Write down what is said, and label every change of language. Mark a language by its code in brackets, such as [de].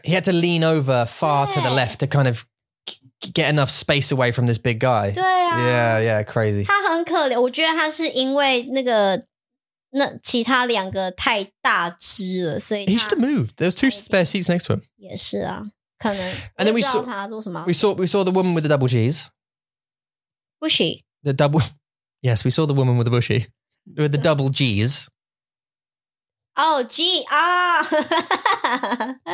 [en] He had to lean over far to the left to kind of get enough space away from this big guy. Crazy. [zh] 他很可怜，我觉得他是因为那个其他两个太大只了，所以 [en] he should have moved. There was two spare seats next to him. [zh] 也是啊，可能。 [en] And then we saw the woman with the double G's. Bushy. The double. Yes, we saw the woman with the bushy, with the double G's. Oh, gee, ah.